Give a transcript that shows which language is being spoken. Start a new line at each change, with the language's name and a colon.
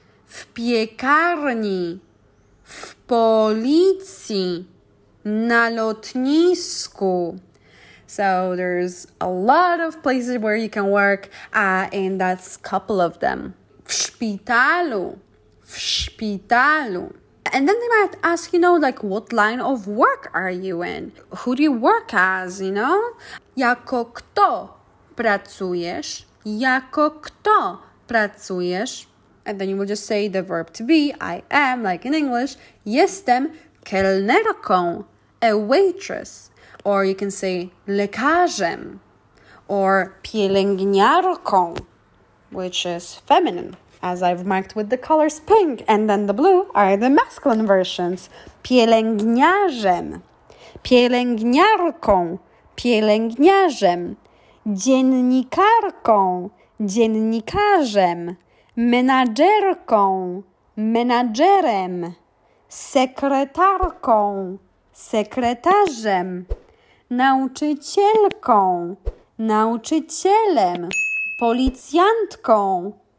Polish: w piekarni, w policji, na lotnisku.
English: So there's a lot of places where you can work, and that's a couple of them.
Polish: W szpitalu, w szpitalu.
English: And then they might ask, you know, like, what line of work are you in? Who do you work as, you know?
Polish: Jako kto pracujesz? Jako kto pracujesz?
English: And then you will just say the verb to be, I am, like in English.
Polish: Jestem kelnerką,
English: a waitress. Or you can say lekarzem, or pielęgniarką, which is feminine. As I've marked with the colors pink and then the blue are the masculine versions.
Polish: Pielęgniarzem, pielęgniarką, pielęgniarzem, dziennikarką, dziennikarzem, menadżerką, menadżerem, sekretarką, sekretarzem, nauczycielką, nauczycielem, policjantką,